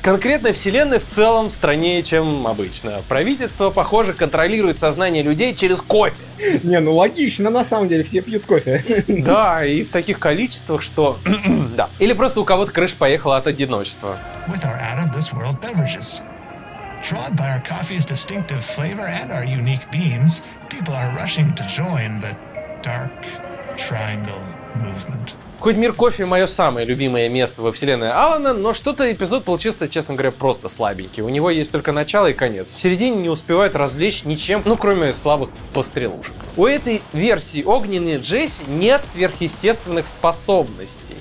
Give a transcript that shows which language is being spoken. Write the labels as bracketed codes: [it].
[ru] Конкретная вселенная в целом страннее, чем обычно. Правительство, похоже, контролирует сознание людей через кофе. Не, ну логично, на самом деле, все пьют кофе. Да, и в таких количествах, что... Да. Или просто у кого-то крыша поехала от одиночества. [en] With our out-of-this-world beverages. Drawn by our coffee's distinctive flavor and our unique beans, people are rushing to join the dark triangle movement. [ru] Хоть «Мир кофе» — мое самое любимое место во вселенной Алана, но что-то эпизод получился, честно говоря, просто слабенький. У него есть только начало и конец. В середине не успевают развлечь ничем, ну кроме слабых пострелушек. У этой версии огненной Джесси нет сверхъестественных способностей.